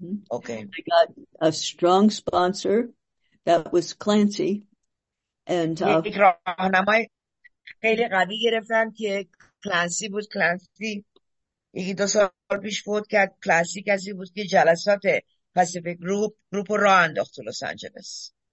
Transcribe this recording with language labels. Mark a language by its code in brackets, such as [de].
[en] Okay. I got a strong sponsor that was Clancy, and [fa] یک راهنمای خیلی قوی گرفتم که کلانسی بود. کلانسی یکی دو سال پیش فوت کرد. کلانسی کسی بود که جلسات پاسیفیک گروپ گروپ را انداخت تو لس آنجلس.